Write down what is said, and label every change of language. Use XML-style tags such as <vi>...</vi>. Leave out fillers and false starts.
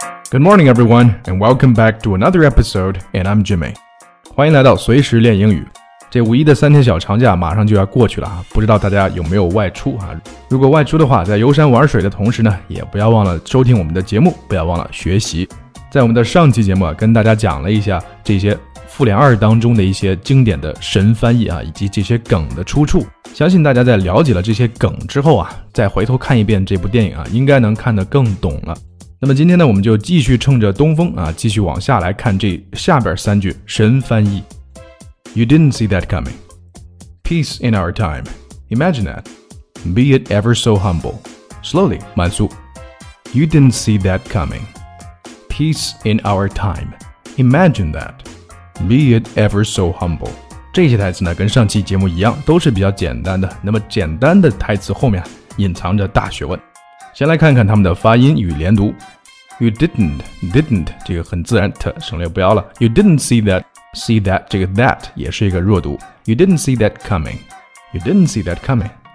<en>Good morning, everyone, and welcome back to another episode. And I'm Jimmy.</en> <zh>欢迎来到随时练英语。这五一的三天小长假马上就要过去了啊，不知道大家有没有外出啊？如果外出的话，在游山玩水的同时呢，也不要忘了收听我们的节目，不要忘了学习。在我们的上期节目啊，跟大家讲了一下这些《复联二》当中的一些经典的神翻译啊，以及这些梗的出处。相信大家在了解了这些梗之后啊，再回头看一遍这部电影啊，应该能看得更懂了。那么今天呢，我们就继续乘着东风啊，继续往下来看这下边三句神翻译。</zh> <en>You didn't see that coming. Peace in our time. Imagine that. Be it ever so humble. Slowly,</en> <zh>慢速。</zh> <en>You didn't see that coming. Peace in our time. Imagine that. Be it ever so humble.</en> <zh>这些台词呢，跟上期节目一样，都是比较简单的。那么简单的台词后面隐藏着大学问。先来看看他们的发音与连读。</zh> <en>You didn't,</en> <zh>这个很自然 ,t, 省略不要了。</zh> <en>You didn't see that,</en> <zh>这个 that 也是一个弱读。</zh> <en>You didn't see that coming, you didn't see that coming.</en>